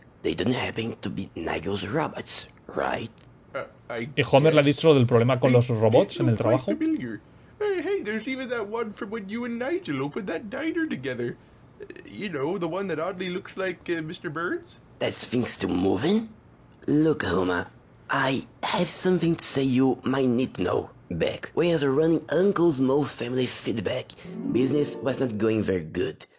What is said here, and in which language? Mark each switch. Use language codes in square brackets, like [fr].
[en] They don't happen to be Nigel's robots, right? [es] Y Homer le ha dicho lo del problema con los robots en el trabajo. [en] Hey, there's even that one from when you and Nigel opened that diner together. You know, the one that oddly looks like Mr. Burns? That Sphinx still moving? Look, Homer, I have something to say you might need to know. Back when I was running Uncle Moe's family feedback, business was not going very good.